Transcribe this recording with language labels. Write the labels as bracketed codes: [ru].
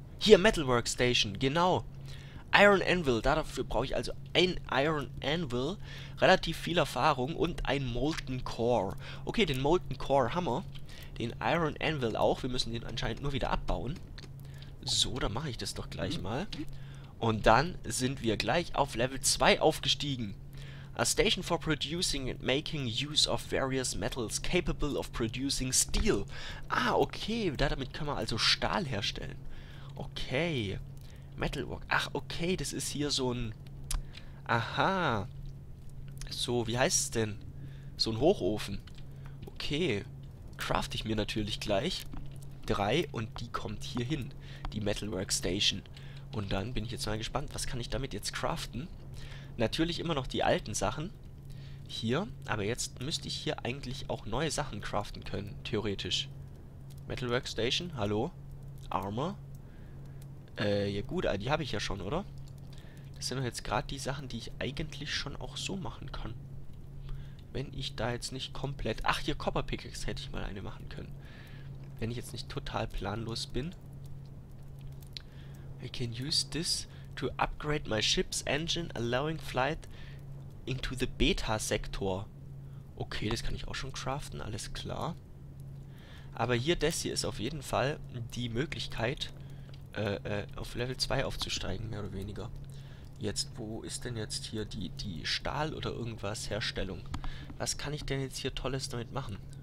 [de] Hier, Metal Workstation, genau. Iron Anvil, dafür brauche ich also ein Iron Anvil, relativ viel Erfahrung und ein Molten Core. Okay, den Molten Core Hammer, den Iron Anvil auch, wir müssen den anscheinend nur wieder abbauen. So, dann mache ich das doch gleich mal. Und dann sind wir gleich auf Level 2 aufgestiegen. [en] A station for producing and making use of various metals capable of producing steel. [de] Ah, okay, damit können wir also Stahl herstellen. Okay. Metalwork. Ach, okay, das ist hier so ein... Aha. So, wie heißt es denn? So ein Hochofen. Okay. Crafte ich mir natürlich gleich. 3 und die kommt hier hin. Die Metalwork Station. Und dann bin ich jetzt mal gespannt, was kann ich damit jetzt craften? Natürlich immer noch die alten Sachen. Hier. Aber jetzt müsste ich hier eigentlich auch neue Sachen craften können, theoretisch. Metalwork Station, hallo? Armor? Ja gut, die habe ich ja schon, oder? Das sind doch jetzt gerade die Sachen, die ich eigentlich schon auch so machen kann. Wenn ich da jetzt nicht komplett... Ach, hier, Copper Pickaxe hätte ich mal eine machen können. Wenn ich jetzt nicht total planlos bin. [en] I can use this to upgrade my ship's engine, allowing flight into the Beta-Sektor. [de] Okay, das kann ich auch schon craften, alles klar. Aber hier, das hier ist auf jeden Fall die Möglichkeit... auf Level 2 aufzusteigen, mehr oder weniger. Jetzt, wo ist denn jetzt hier die Stahl- oder irgendwas Herstellung? Was kann ich denn jetzt hier Tolles damit machen?